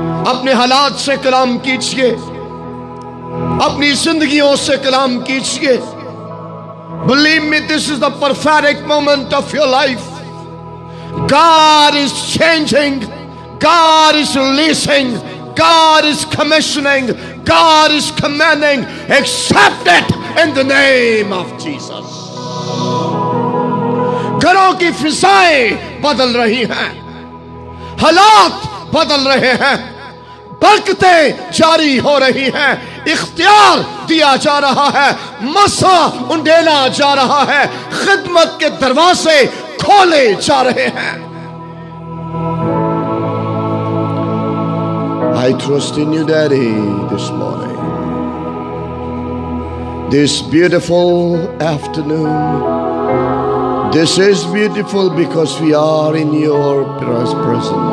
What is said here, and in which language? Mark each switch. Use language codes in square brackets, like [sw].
[hi] अपने हालात से कलाम कीजिए, अपनी जिंदगियों से कलाम कीजिए। [en] Believe me, this is the perfect moment of your life. God is changing, God is releasing, God is commissioning, God is commanding. Accept it in the name of Jesus. [hi] घरों की फिजाएं बदल रही हैं, हालात बदल रहे हैं, बरकतें जारी हो रही हैं, इख्तियार दिया जा रहा है, मसा उंडेला जा रहा है, खिदमत के दरवाजे खोले जा रहे हैं। [en] I trust in you, Daddy, this morning, this beautiful afternoon, This is beautiful because we are in your presence.